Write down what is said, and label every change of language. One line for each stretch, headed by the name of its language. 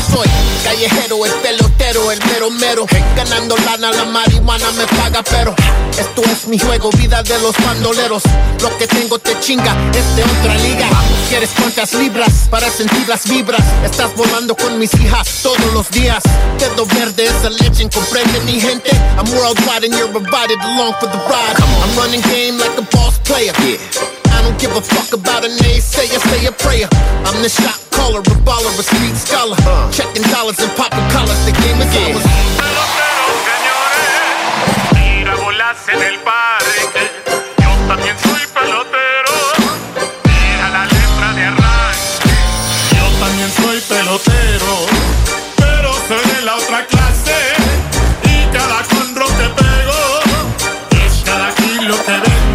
Spanish: Soy callejero, el pelotero, el mero mero. Ganando lana, la marihuana me paga, pero esto es mi juego, vida de los bandoleros. Lo que tengo te chinga, es de otra liga. ¿Quieres cuántas libras para sentir las vibras? Estás volando con mis hijas todos los días. Quedo verde, esa leche, comprende mi gente.
English: I'm worldwide and you're invited along for the ride. I'm running game like a boss player. Yeah. I don't give a fuck about a naysayer, say a prayer. I'm the shot caller, a baller, a street scholar. Checking dollars and popping collars, the game is ours.
Spanish: Peloteros, señores, tira bolas en el parque. Yo también soy pelotero, mira la letra de arranque. Yo también soy pelotero, pero soy de la otra clase. Y cada conro que pego, es cada kilo que vengo.